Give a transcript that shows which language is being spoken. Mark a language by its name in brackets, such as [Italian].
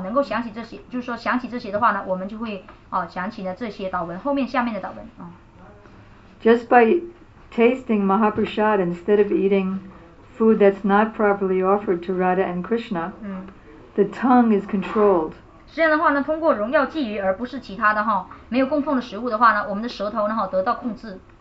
[Chinese] 能够想起这些，就是说想起这些的话呢，我们就会想起呢这些祷文后面下面的祷文啊。 [English] Just by tasting Mahaprasad instead of eating food that's not properly offered to Radha and Krishna, the tongue is controlled. [Chinese] 这样的话呢，通过荣耀寄语而不是其他的哈，没有供奉的食物的话呢，我们的舌头呢哈得到控制。